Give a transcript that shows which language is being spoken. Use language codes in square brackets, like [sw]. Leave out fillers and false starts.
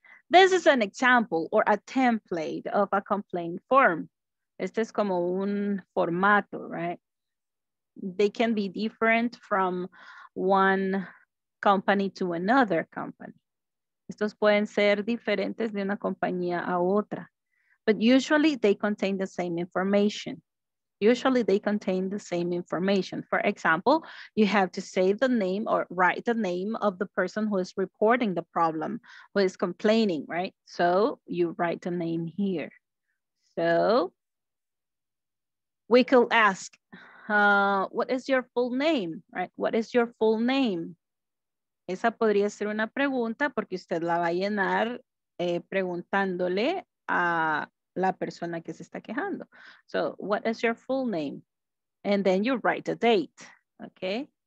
[en] This is an example or a template of a complaint form. [es] Este es como un formato, [en] right? They can be different from one company to another company. [es] Estos pueden ser diferentes de una compañía a otra. [en] But usually they contain the same information. Usually they contain the same information. For example, you have to say the name or write the name of the person who is reporting the problem, who is complaining, right? So you write the name here. So we could ask, what is your full name, right? What is your full name? [es] Esa podría ser una pregunta porque usted la va a llenar preguntándole a la persona que se está quejando. [en] So, what is your full name? And then you write a date, okay?